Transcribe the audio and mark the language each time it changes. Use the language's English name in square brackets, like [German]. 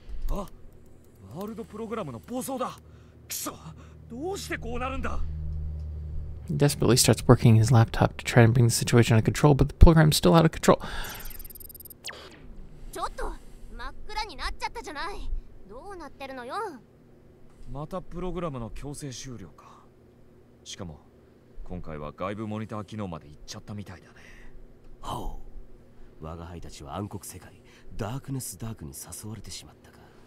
[Japanese] あ、ワールドプログラムの暴走だ。クソ、どうしてこうなるんだ。 [English] He desperately starts working his laptop to try and bring the situation under control, but the program is still out of control. [Japanese] ちょっと真っ暗になっちゃったじゃない。どうなってるのよ。またプログラムの強制終了か。しかも今回は外部モニター機能まで行っちゃったみたいだね。ほう、我が輩たちは暗黒世界ダークネスダークに誘われてしまったか。